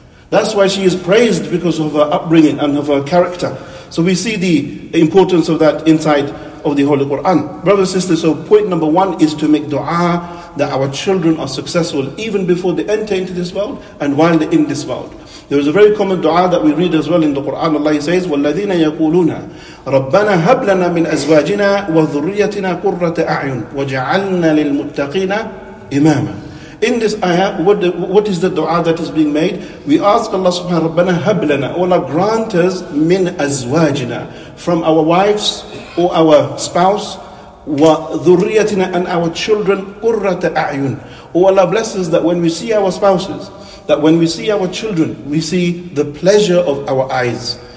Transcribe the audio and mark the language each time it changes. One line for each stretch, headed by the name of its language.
English: That's why she is praised because of her upbringing and of her character. So we see the importance of that inside of the Holy Quran. Brothers and sisters, so point number one is to make dua that our children are successful even before they enter into this world and while they're in this world. There is a very common dua that we read as well in the Quran. Allah says,
Arabic: وَالَّذِينَ يَقُولُونَ رَبَّنَا هَبْ لَنَا مِنْ أَزْوَاجِنَا وَذُرِّيَّتِنَا قُرَّةَ أَعْيُنٍ وَجَعَلْنَا لِلْمُتَّقِينَ إِمَامًا.
English: In this ayah, what is the dua that is being made? We ask Allah subhanahu wa ta'ala,
Arabic: رَبَّنَا هَبْ لَنَا,
English: Allah grant us,
Arabic: مِنْ أَزْوَاجِنَا,
English: from our wives or our spouse,
Arabic: وَذُرِّيَّتِنَا,
English: and our children,
Arabic: قُرَّةَ أَعْيُنٍ.
English: Oh Allah bless us that when we see our spouses, that when we see our children, we see the pleasure of our eyes.